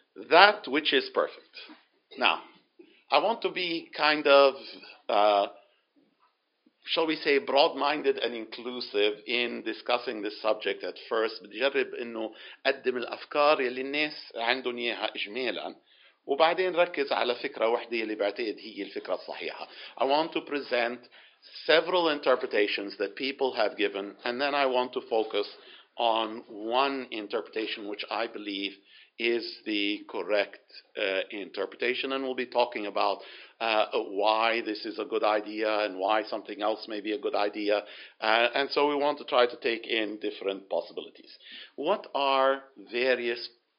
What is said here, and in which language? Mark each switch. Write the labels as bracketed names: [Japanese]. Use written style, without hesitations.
[English] That which is perfect. Now, I want to be kind of, shall we say, broad-minded and inclusive in discussing this subject at first. [Arabic] بجرب إنه أقدم الأفكار اللي الناس عندهم إياها إجمالاً, وبعدين ركز على فكرة واحدة اللي بعتقد هي الفكرة الصحيحة. [English] I want to present several interpretations that people have given, and then I want to focus on one interpretation which I believe is the correct interpretation, and we'll be talking about why this is a good idea and why something else may be a good idea, and so we want to try to take in different possibilities. What are various